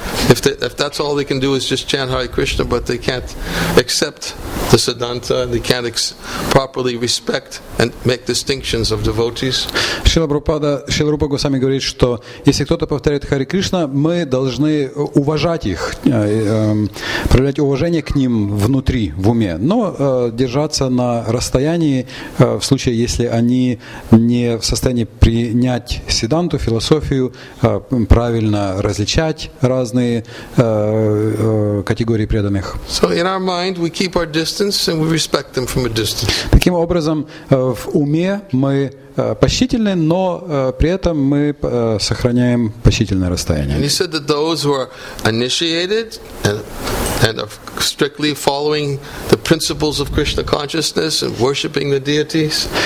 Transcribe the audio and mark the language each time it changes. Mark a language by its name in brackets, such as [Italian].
[English] If that's all they can do is just chant Hare Krishna, but they can't accept the Siddhanta, they can't properly respect and make distinctions of devotees. [Russian] Шрила Рупа Госвами говорит, что если кто-то повторяет Хари Кришна, мы должны уважать их, проявлять уважение к ним внутри, в уме, но держаться на расстоянии в случае, если они не в состоянии принять Сиддханту, философию, правильно различать разные категории преданных. [English] So in our mind we keep our distance and we respect them from a distance. [Russian] Таким образом, в уме мы почтительны, но при этом мы сохраняем почтительное расстояние. [English] And he said that those who are initiated and are strictly following the principles of Krishna consciousness and worshiping the deities.